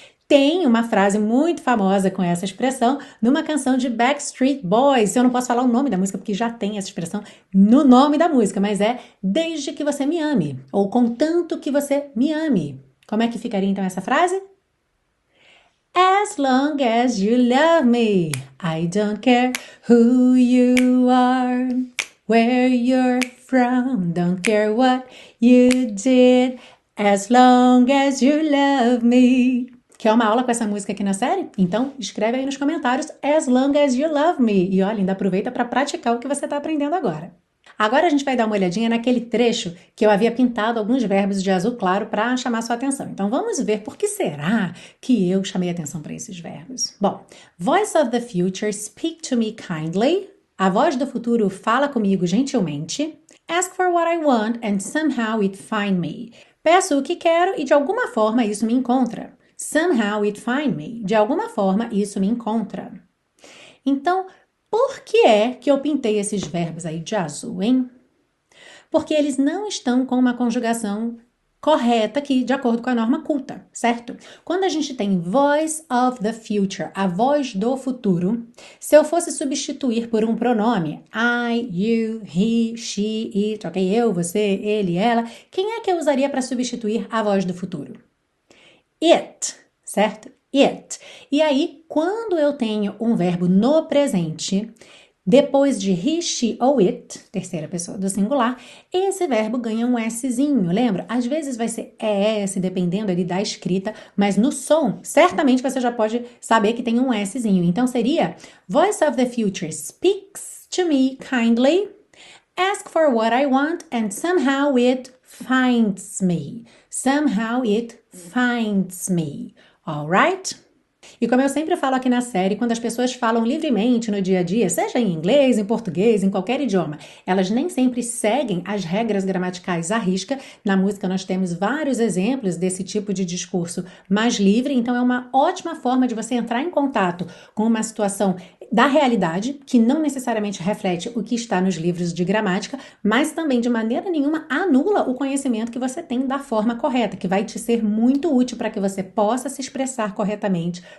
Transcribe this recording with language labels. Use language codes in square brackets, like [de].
[pt] Tem uma frase muito famosa com essa expressão numa canção de Backstreet Boys. Eu não posso falar o nome da música porque já tem essa expressão no nome da música, mas é desde que você me ame ou contanto que você me ame, Como é que ficaria então essa frase? [en] As long as you love me, I don't care who you are, where you're from, don't care what you did, as long as you love me. [pt] Quer uma aula com essa música aqui na série? Então escreve aí nos comentários [en] As long as you love me. [pt] E olha, ainda aproveita para praticar o que você está aprendendo agora. Agora a gente vai dar uma olhadinha naquele trecho que eu havia pintado alguns verbos de azul claro para chamar sua atenção. Então vamos ver por que será que eu chamei atenção para esses verbos. [en] Bom, Voice of the future, speak to me kindly. [pt] A voz do futuro fala comigo gentilmente. [en] Ask for what I want and somehow it find me. [pt] Peço o que quero e de alguma forma isso me encontra. [en] Somehow it find me. [pt] De alguma forma isso me encontra. Então, por que é que eu pintei esses verbos aí de azul, hein? Porque eles não estão com uma conjugação correta aqui, de acordo com a norma culta, certo? Quando a gente tem [en] voice of the future, [pt] a voz do futuro, se eu fosse substituir por um pronome, [en] I, you, he, she, it, [pt] ok? Eu, você, ele, ela, quem é que eu usaria para substituir a voz do futuro? It, certo? It. E aí, quando eu tenho um verbo no presente, depois de he, she ou it, terceira pessoa do singular, esse verbo ganha um szinho, lembra? Às vezes vai ser es, dependendo ali da escrita, mas no som, certamente você já pode saber que tem um szinho. Então seria: [en] Voice of the future speaks to me kindly, ask for what I want, and somehow it finds me. Somehow it finds me. Alright? [pt] E como eu sempre falo aqui na série, quando as pessoas falam livremente no dia a dia, seja em inglês, em português, em qualquer idioma, elas nem sempre seguem as regras gramaticais à risca. Na música nós temos vários exemplos desse tipo de discurso mais livre, então é uma ótima forma de você entrar em contato com uma situação da realidade, que não necessariamente reflete o que está nos livros de gramática, mas também de maneira nenhuma anula o conhecimento que você tem da forma correta, que vai te ser muito útil para que você possa se expressar corretamente,